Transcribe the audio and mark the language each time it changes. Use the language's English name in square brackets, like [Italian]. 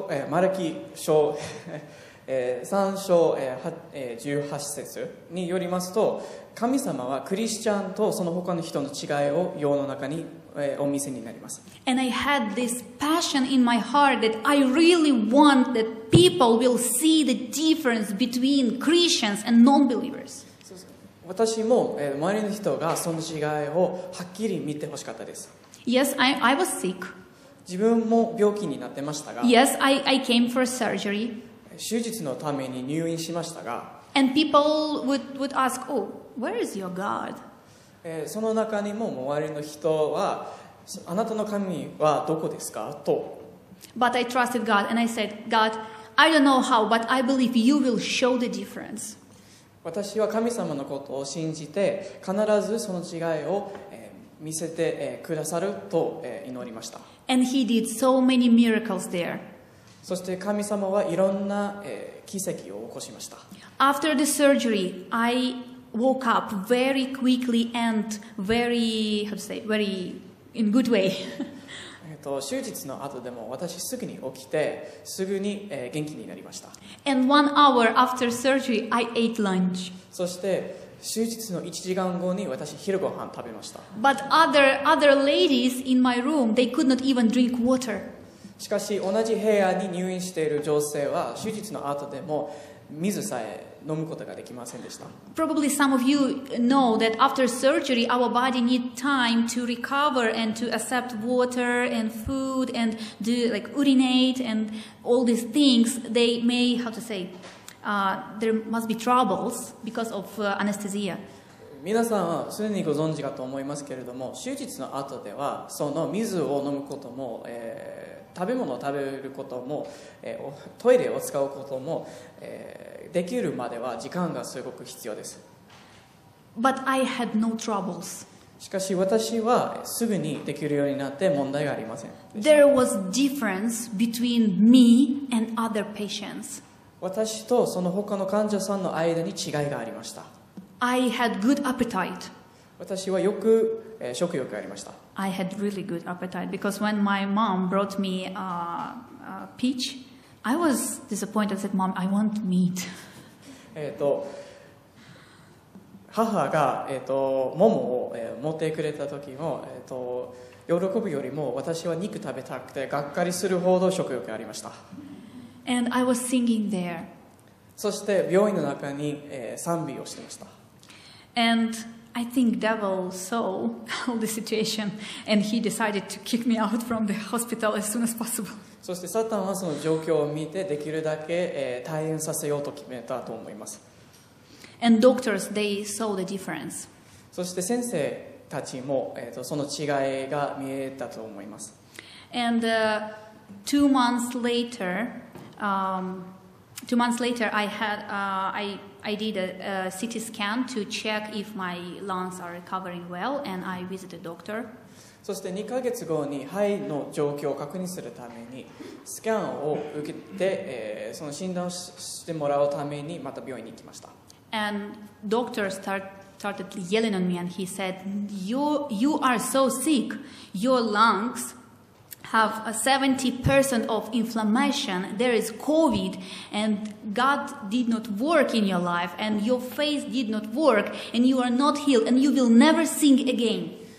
[Japanese] マルキ書3章18節によりますと、神様はクリスチャンとその他の人の違いを世の中にお見せになります。 [English] And I had this passion in my heart that I really want that people will see the difference between Christians and non-believers. [Japanese] 私も周りの人がその違いをはっきり見てほしかったです。 [English] Yes, I was sick. [Japanese] 自分も病気になってましたが。 [English] Yes, I came for surgery. [Japanese] 手術のために入院しましたが。 [English] And people would ask, oh, where is your God? [Japanese] その中にも周りの人は、あなたの神はどこですかと。 [English] But I trusted God and I said, God, I don't know how, but I believe you will show the difference. [Japanese] 私は神様のことを信じて必ずその違いを見せてくださると祈りました。 [English] And he did so many miracles there. [Japanese] そして神様はいろんな奇跡を起こしました。 [English] After the surgery, I woke up very quickly and very, how to say, very in good way. [Japanese] 手術の後でも私すぐに起きてすぐに元気になりました。 [English] And 1 hour after surgery, I ate lunch. [Japanese] そして手術の1時間後に私昼ご飯食べました。 [English] But other ladies in my room, they could not even drink water. [Japanese] しかし同じ部屋に入院している女性は手術の後でも水さえ飲むことができませんでした。 [English] Probably some of you know that after surgery our body need time to recover and to accept water and food and do like urinate and all these things. They may, how to say, there must be troubles because of anesthesia. [Japanese] 皆さんは常にご存知かと思いますけれども、手術の後ではその水を飲むことも、食べ物を食べることも、トイレを使うことも、できるまでは時間がすごく必要です。 [English] But I had no troubles. [Japanese] しかし私はすぐにできるようになって問題がありません。 [English] There was difference between me and other patients. [Japanese] 私とその他の患者さんの間に違いがありました。 [English] I had good appetite. [Japanese] 私はよく、食欲がありました。 [English] I had really good appetite because when my mom brought me a peach, I was disappointed. I said, "Mom, I want meat." [Japanese] 母が桃を持ってくれた時も喜ぶよりも私は肉食べたくてがっかりするほど食欲がありました。 [English] And I was singing there. [Japanese] そして病院の中に賛美をしてました。 [English] And I think devil saw all the situation and he decided to kick me out from the hospital as soon as possible. [Japanese] そしてサタンはその状況を見てできるだけ退院させようと決めたと思います。 [English] And doctors, they saw the difference. [Japanese] そして先生たちもその違いが見えたと思います。 [English] And two months later, I did a CT scan to check if my lungs are recovering well, and I visited a doctor. [Japanese] そして2ヶ月後に肺の状況を確認するためにスキャンを受けて、その診断をしてもらうためにまた病院に行きました。 [English] And doctor started yelling on me, and he said, "You are so sick. Your lungs have a 70% of inflammation, there is COVID, and God did not work in your life, and your faith did not work, and you are not healed, and you will never sing again."